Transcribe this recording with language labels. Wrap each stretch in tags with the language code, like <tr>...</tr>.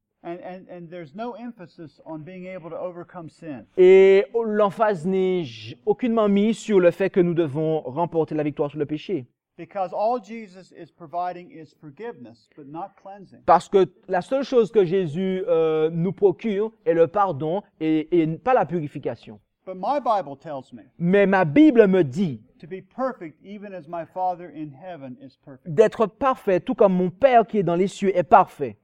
<en>And there's no emphasis on being able to overcome sin.</en> <fr>Et l'emphase n'est aucunement mise sur le fait que nous devons remporter la victoire sur le péché.</fr> <en>Because all Jesus is providing is forgiveness, but not cleansing.</en> <fr>Parce que la seule chose que Jésus nous procure est le pardon et pas la purification.</fr> <en>But my Bible tells me.</en> <fr>Mais ma Bible me dit.</fr> <en>To be perfect, even as my Father in heaven is perfect.</en> <fr>D'être parfait, tout comme mon Père qui est dans les cieux est parfait.</fr>